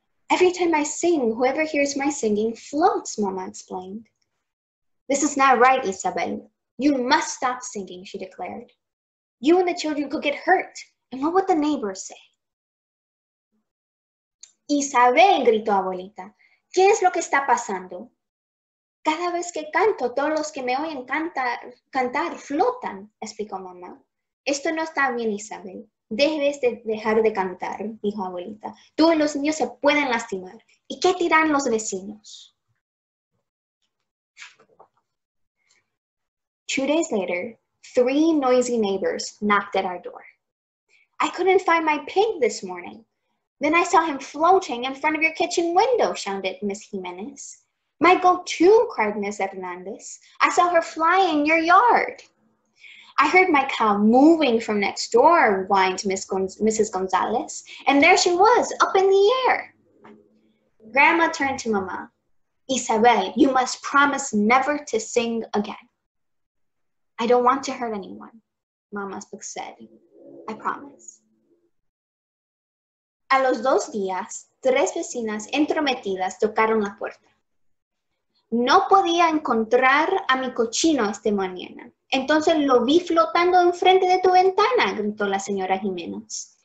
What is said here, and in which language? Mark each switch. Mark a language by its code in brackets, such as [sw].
[en] Every time I sing, whoever hears my singing floats, Mama explained. This is not right, Isabel. You must stop singing, she declared. You and the children could get hurt, and what would the neighbors say? [es] Isabel, gritó abuelita, ¿qué es lo que está pasando? Cada vez que canto, todos los que me oyen cantar flotan, explicó mamá. Esto no está bien, Isabel. Debes de dejar de cantar, dijo abuelita. Tú y los niños se pueden lastimar. ¿Y qué dirán los vecinos? [en] 2 days later, 3 noisy neighbors knocked at our door. I couldn't find my pig this morning. Then I saw him floating in front of your kitchen window, shouted Miss Jimenez. My goat too, cried Miss Hernandez. I saw her fly in your yard. I heard my cow moving from next door, whined Mrs. Gonzalez, and there she was, up in the air. Grandma turned to Mama. Isabel, you must promise never to sing again. I don't want to hurt anyone, Mama said. I promise. [es] A los dos días, 3 vecinas entrometidas tocaron la puerta. No podía encontrar a mi cochino esta mañana. Entonces lo vi flotando enfrente de tu ventana, gritó la señora Jimenez.